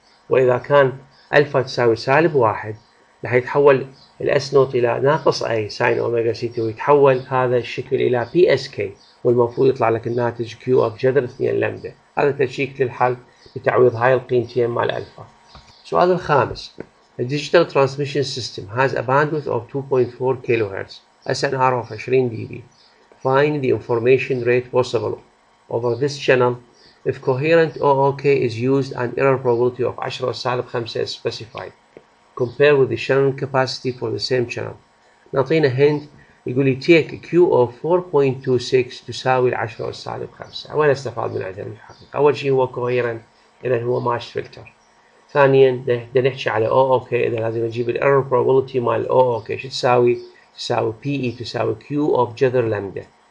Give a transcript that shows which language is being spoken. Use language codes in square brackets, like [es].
[ar] واذا كان الفا تساوي سالب واحد راح يتحول الاس نوت الى ناقص اي ساين اوميجا سي تي، ويتحول هذا الشكل الى بي اس كي، والمفروض يطلع لك الناتج كيو اوف جذر 2 لامدا. هذا تشيك للحل لتعويض هاي القيمتين مع الالفا. السؤال الخامس: [en] A digital transmission system has a bandwidth of 2.4 kHz, SNR of 20 dB. Find the information rate possible over this channel. If coherent OOK is used, an error probability of 10 سالب 5 is specified. Compare with the channel capacity for the same channel. [ar] نعطينا هند يقول لي [en] take Q of 4.26 [ar] تساوي 10 سالب 5. وين استفاد من عدم الحقيقة؟ أول شيء هو coherent، إذا هو match filter. ثانيا بدنا نحكي على OOK، إذا لازم نجيب الايرور probability مال OOK شو تساوي؟ تساوي PE تساوي Q of جذر لندا.